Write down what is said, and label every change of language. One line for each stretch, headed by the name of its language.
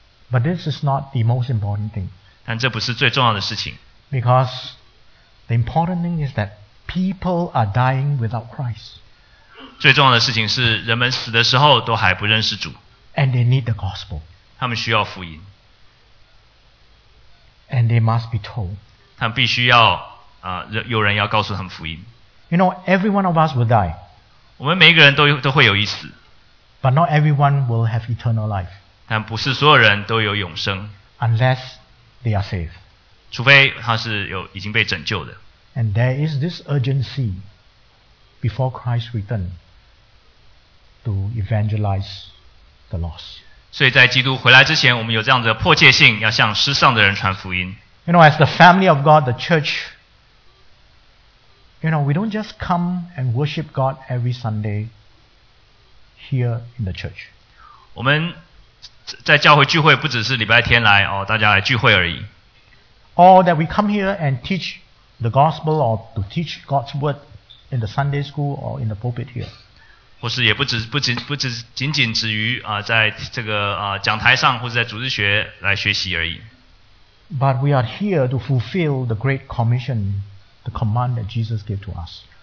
English: But this is not the most important thing.
Chinese: 但这不是最重要的事情。
English: Because the important thing is that people are dying without Christ.
Chinese: 最重要的事情是人们死的时候都还不认识主。
English: And they need the gospel.
Chinese: 他们需要福音。
English: And they must be told.
Chinese: 他们必须要有人要告诉他们福音。
English: You know, every one of us will die.
Chinese: 我们每一个人都会有一死。
English: But not everyone will have eternal life.
Chinese: 但不是所有人都有永生。
English: Unless they are saved.
Chinese: 除非他是已经被拯救的。
English: And there is this urgency before Christ return to evangelize the lost.
Chinese: 所以在基督回来之前，我们有这样的迫切性，要向失丧的人传福音。
English: You know, as the family of God, the church, you know, we don't just come and worship God every Sunday here in the church.
Chinese: 我们在教会聚会不只是礼拜天来大家来聚会而已。
English: Or that we come here and teach the gospel or to teach God's word in the Sunday school or in the pulpit here.
Chinese: 或是也不仅止于在这个讲台上或是在主日学来学习而已。
English: But we are here to fulfill the great commission, the command that Jesus gave to us.